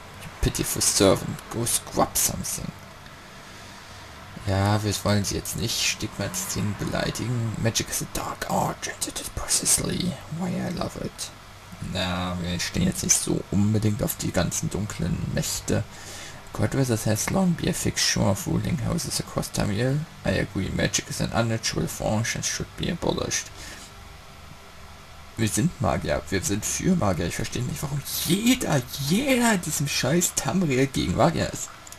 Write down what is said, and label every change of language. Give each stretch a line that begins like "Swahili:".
English: You pitiful servant, go scrub something.
German: Ja, wir wollen sie jetzt nicht stigmatisieren, beleidigen.
English: Magic is a dark art, and it is precisely why I love it.
German: Na, wir stehen jetzt nicht so unbedingt auf die ganzen dunklen Mächte.
English: God Wizard has long been a fixture of ruling houses across Tamriel. I agree, magic is an unnatural force and should be abolished.
German: Wir sind Magier, wir sind für Magier. Ich verstehe nicht, warum jeder in diesem scheiß Tamriel gegen Magier ist.